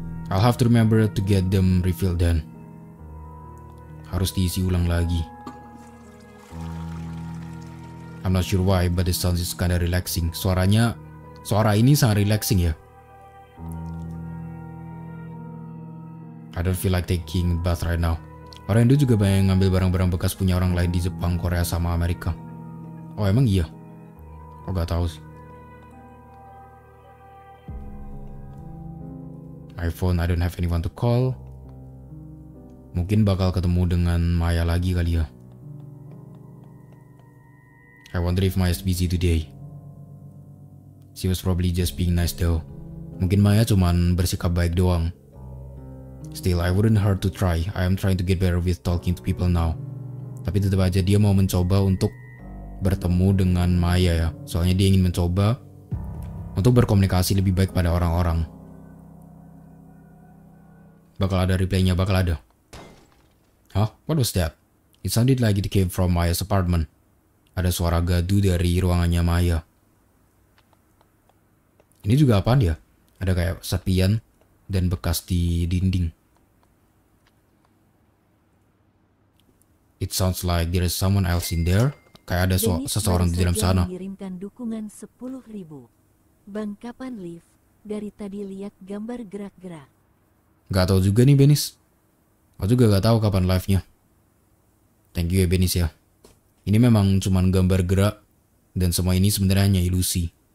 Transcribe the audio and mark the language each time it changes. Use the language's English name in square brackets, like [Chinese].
[English] I'll have to remember to get them refilled then. [Indonesian] Harus diisi ulang lagi. [English] I'm not sure why, but the sound is kinda relaxing. [Indonesian] Suara ini sangat relaxing ya. [English] I don't feel like taking a bath right now. [Indonesian] Orang Indo juga banyak ngambil barang-barang bekas punya orang lain di Jepang, Korea, sama Amerika. Oh, emang iya? Kok gak tahu sih? [English] My phone, I don't have anyone to call. [Indonesian] Mungkin bakal ketemu dengan Maya lagi kali ya. [English] I wonder if Maya's busy today. She was probably just being nice though. [Indonesian] Mungkin Maya cuman bersikap baik doang. [English] Still, I wouldn't hurt to try. I am trying to get better with talking to people now. [Indonesian] Tapi tetap aja dia mau mencoba untuk bertemu dengan Maya ya. Soalnya dia ingin mencoba untuk berkomunikasi lebih baik pada orang-orang. Bakal ada replay-nya, bakal ada. [English] Huh? What was that? It sounded like it came from Maya's apartment. [Indonesian] Ada suara gaduh dari ruangannya Maya. Ini juga apaan ya? Ada kayak serpian dan bekas di dinding. [English] It sounds like there is someone else in there. [Indonesian] Kayak ada seseorang di dalam sana. Mengirimkan dukungan 10.000. Bang, kapan lift? Dari tadi lihat gambar gerak-gerak. Gak tau juga nih, Benis. Aku juga gak tahu kapan live-nya. Thank you ya, Benis ya. Ini memang cuman gambar gerak. Dan semua ini sebenarnya hanya ilusi.